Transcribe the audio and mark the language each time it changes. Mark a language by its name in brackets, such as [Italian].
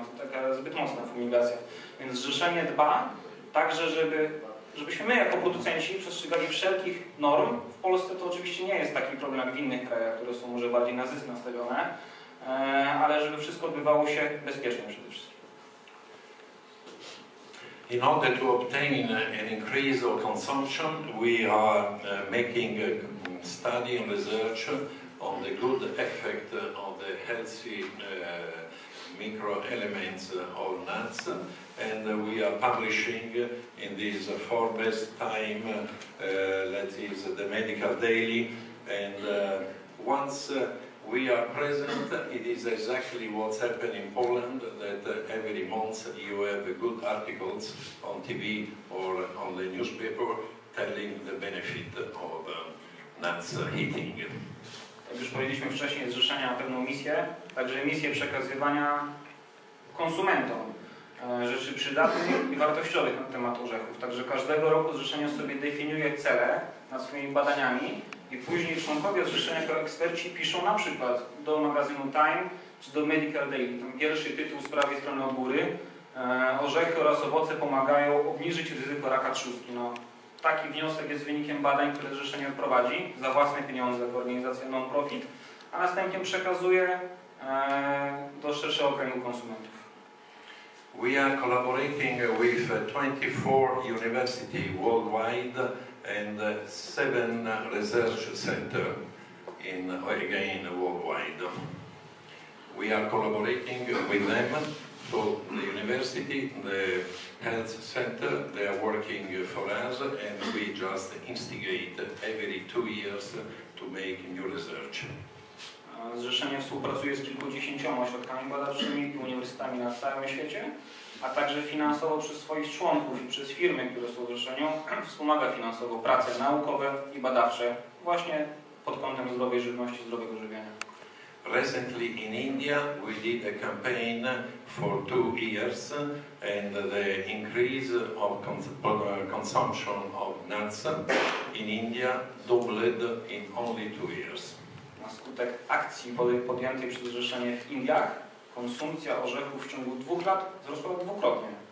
[Polish] To taka zbyt mocna fumigacja. Więc zrzeszenie dba także, żebyśmy my jako producenci przestrzegali wszelkich norm. W Polsce to oczywiście nie jest taki problem jak w innych krajach, które są może bardziej na zysk nastawione. Ale żeby wszystko odbywało się bezpiecznie przede wszystkim. [English] In order to obtain an increase of consumption, we are making a study and research on the good effect of the healthy micro elements of nuts, and we are publishing in this Forbes Time, that is the Medical Daily, and once we are present, it is exactly what's happened in Poland, that every month you have good articles on TV or on the newspaper telling the benefit of nuts eating. [Polish] Jak już powiedzieliśmy wcześniej, zrzeszenia na pewną misję, także misję przekazywania konsumentom rzeczy przydatnych i wartościowych na temat orzechów. Także każdego roku zrzeszenie sobie definiuje cele nad swoimi badaniami. I później członkowie zrzeszenia jako eksperci piszą na przykład do magazynu Time czy do Medical Daily. Tam pierwszy tytuł z prawej strony od góry. Orzechy oraz owoce pomagają obniżyć ryzyko raka trzustki. No, Taki wniosek jest wynikiem badań, które zrzeszenie prowadzi za własne pieniądze w organizację non-profit, a następnie przekazuje do szerszego kręgu konsumentów. [English] We are collaborating with 24 universities worldwide and 7 research centers in again worldwide. We are collaborating with them, so the university, the health center, they are working for us, and we just instigate every 2 years to make new research. [Polish] Zrzeszenie współpracuje z kilkudziesięcioma ośrodkami badawczymi i uniwersytetami na całym świecie, a także finansowo przez swoich członków i przez firmy, które są zrzeszenią, wspomaga finansowo prace naukowe i badawcze właśnie pod kątem zdrowej żywności, zdrowego żywienia. [English] Recently in India we did a campaign for 2 years and the increase of consumption of nuts in India doubled in only 2 years. [Polish] Na skutek akcji podjętej przez zrzeszenie w Indiach, konsumpcja orzechów w ciągu 2 lat wzrosła dwukrotnie.